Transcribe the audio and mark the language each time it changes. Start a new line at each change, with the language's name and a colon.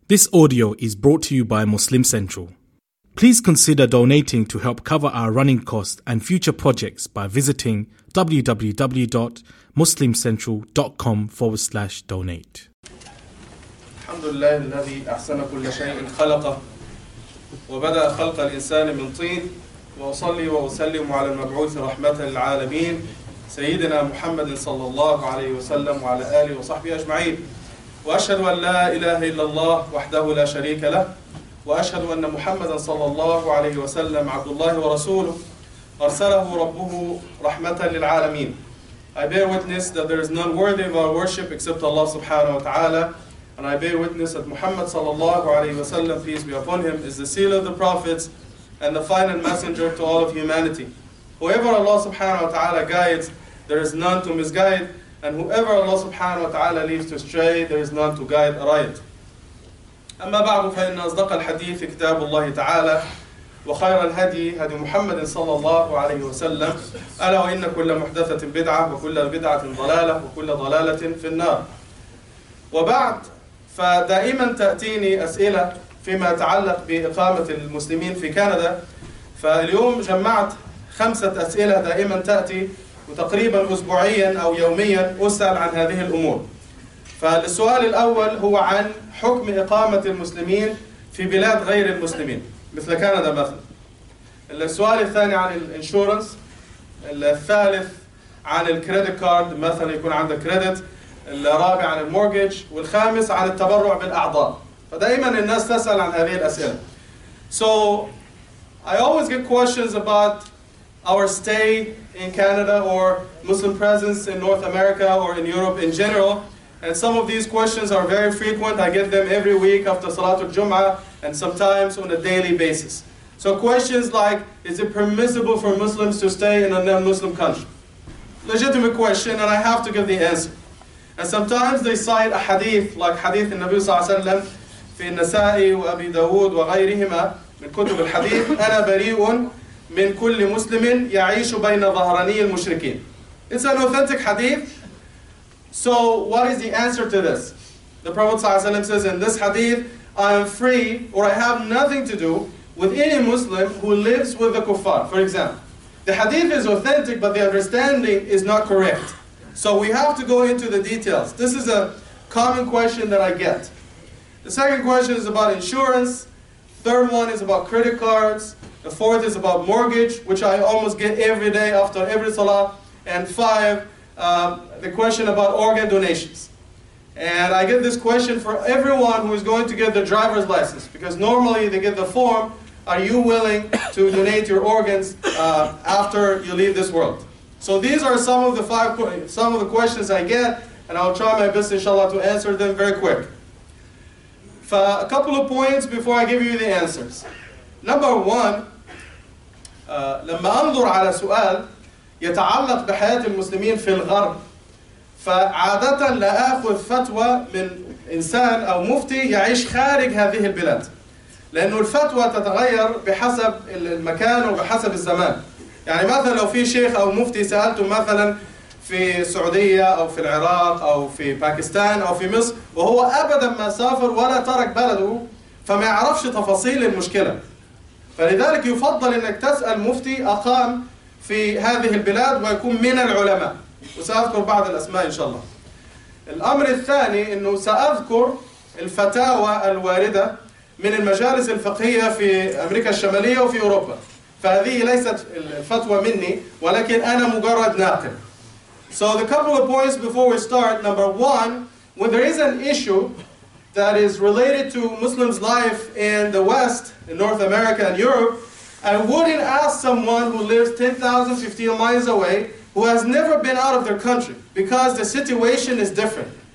English: This audio is brought to you by Muslim Central. Please consider donating to help cover our running costs and future projects by visiting www.muslimcentral.com/donate.
Arabic: Alhamdulillah, الذي أحسن كل شيء خلقه وبدأ خلق الإنسان من طين وأصلي وأسلم على المبعوث رحمة العالمين سيدنا محمد صلى الله عليه وسلم وعلى آله وصحبه أجمعين. وأشهد أن لا إله إلا الله وحده لا شريك له وأشهد أن محمدا صلى الله عليه وسلم عبد الله ورسوله أرسله ربه رحمة للعالمين.
English: I bear witness that there is none worthy of our worship except Allah سبحانه وتعالى, and I bear witness that Muhammad صلى الله عليه وسلم, peace be upon him, is the seal of the prophets and the final messenger to all of humanity. Whoever Allah سبحانه وتعالى guides, there is none to misguide, and whoever Allah سبحانه وتعالى leaves to stray, there is none to guide aright.
Arabic: أما بعد فإن أصدق الحديث كتاب الله تعالى وخير الهدي هدي محمد صلى الله عليه وسلم ألا وإن كل محدثة بدعة وكل بدعة ضلالة وكل ضلالة في النار. وبعد, فدائما تأتيني أسئلة فيما يتعلق بإقامة المسلمين في كندا, فاليوم جمعت 5 أسئلة دائما تأتي وتقريبا أسبوعيا أو يوميا أسأل عن هذه الأمور. فالسؤال الأول هو عن حكم إقامة المسلمين في بلاد غير المسلمين مثل كندا مثلا. السؤال الثاني عن الانشورنس. الثالث عن الكريدت كارد مثلا, يكون عندك كريدت. الرابع عن المورجج, والخامس عن التبرع بالأعضاء. فدائما الناس تسأل عن هذه الأسئلة.
English: So I always get questions about our stay in Canada or Muslim presence in North America or in Europe in general. And some of these questions are very frequent. I get them every week after Salatul Jum'ah and sometimes on a daily basis. So questions like, is it permissible for Muslims to stay in a non-Muslim country? Legitimate question, and I have to give the answer. And sometimes they cite a hadith, like hadith in Nabi Sallallahu Alaihi Wasallam,
Arabic: في النسائي وأبي داود وغيرهما من كتب الحديث, أنا بريء من كل مسلم يعيش بين ظهراني المشركين.
English: It's an authentic hadith. So what is the answer to this? The Prophet Sallallahu Alaihi Wasallam says in this hadith, I am free, or I have nothing to do with any Muslim who lives with the kuffar, for example. The hadith is authentic, but the understanding is not correct. So we have to go into the details. This is a common question that I get. The second question is about insurance. Third one is about credit cards. The fourth is about mortgage, which I almost get every day after every salah. And five, the question about organ donations. And I get this question for everyone who is going to get the driver's license, because normally they get the form, are you willing to donate your organs after you leave this world? So these are some of the questions I get, and I'll try my best, inshallah, to answer them very quick. A couple of points before I give you the answers. Number one,
Arabic: لما أنظر على سؤال يتعلق بحياة المسلمين في الغرب, فعادة لا أخذ فتوى من إنسان أو مفتي يعيش خارج هذه البلاد, لأن الفتوى تتغير بحسب المكان وبحسب الزمان. يعني مثلا لو في شيخ أو مفتي سألته مثلا في السعودية أو في العراق أو في باكستان أو في مصر, وهو أبدا ما سافر ولا ترك بلده, فما يعرفش تفاصيل المشكلة. فلذلك يفضل أنك تسأل مفتي أقام في هذه البلاد ويكون من العلماء, وسأذكر بعض الأسماء إن شاء الله. الأمر الثاني أنه سأذكر الفتاوى الواردة من المجالس الفقهية في أمريكا الشمالية وفي أوروبا. فهذه ليست الفتوى مني, ولكن أنا مجرد ناقل.
English: So the couple of points before we start. Number one, when there is an issue that is related to Muslims' life in the West, in North America and Europe, I wouldn't ask someone who lives 10,000, 15 miles away, who has never been out of their country, because the situation is different.